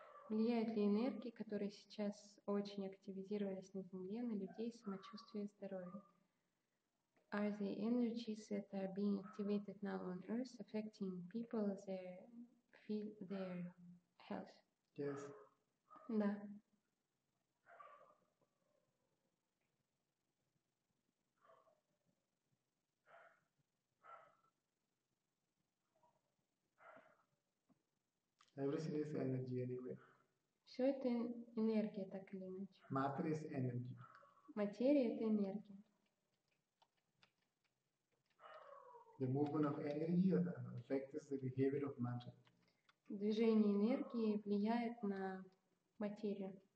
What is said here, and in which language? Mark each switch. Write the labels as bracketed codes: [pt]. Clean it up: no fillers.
[ru] Влияет ли энергии, которые сейчас очень активизировались на Земле, на людей, самочувствие и здоровье? [en] Are the energies that are being activated now on Earth affecting people, their feel their health? Yes. [ru] Да. [en] Everything is energy anyway. [ru] Все это энергия, так или иначе. [en] Matter is energy. [ru] Материя – это энергия. [en] The movement of energy affects the behavior of matter. [ru] Движение энергии влияет на материю.